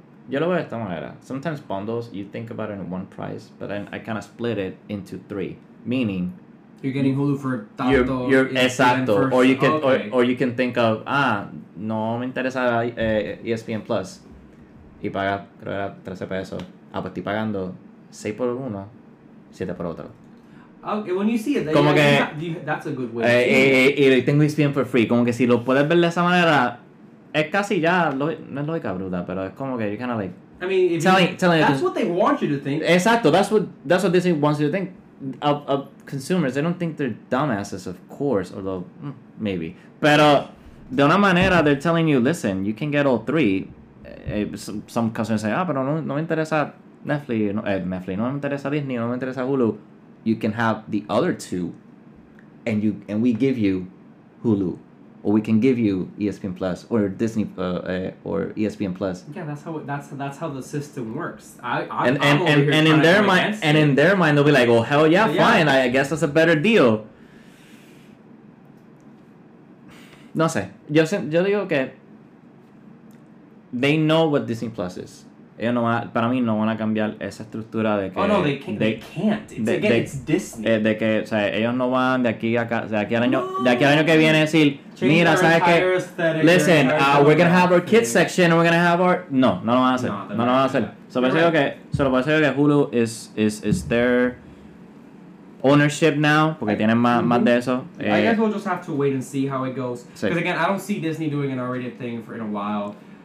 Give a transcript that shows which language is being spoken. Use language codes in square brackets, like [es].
[es] Yo lo veo de esta manera. [en] Sometimes bundles, you think about it in one price, but then I kind of split it into three. Meaning, you're getting Hulu for [es] tanto. Exacto. [en] Or you can think of, [es] no me interesa [en] ESPN Plus. [es] Y paga, creo que era 13 pesos. Ah, pues estoy pagando 6 por uno, 7 por otro. Okay, when you see it, that's a good way. Y tengo ESPN [en] for free. [es] Como que si lo puedes ver de esa manera... Es casi ya, no es lógica bruta, pero es como que [en] you're kind of like... I mean, if telling, you, telling that's what they want you to think. Exacto, that's what Disney wants you to think. Of consumers, they don't think they're dumbasses, of course, although maybe. [es] Pero de una manera, [en] they're telling you, listen, you can get all three. Some customers say, [es] pero no me interesa Netflix, no me interesa Disney, no me interesa Hulu. [en] You can have the other two, and we give you Hulu. Or we can give you ESPN Plus or Disney or ESPN Plus. Yeah, that's how the system works. In their mind they'll be like, "Oh hell yeah, fine. Yeah. I guess that's a better deal." [es] No sé. Yo digo que [en] they know what Disney Plus is. [es] Ellos no van a, para mí no van a cambiar esa estructura de que [en] they can't. [es] O sea, ellos no van de aquí a acá, o sea, de aquí al año que viene a decir, [en] change [es] mira, sabes que [en] listen, we're going to have our kids section and we're going to have our [es] no lo van a hacer. So lo que Hulu [en] is their ownership now [es] porque tienen más de eso. [en] I guess we'll just have to wait and see how it goes, because again, I don't see Disney doing an R-rated thing for in a while.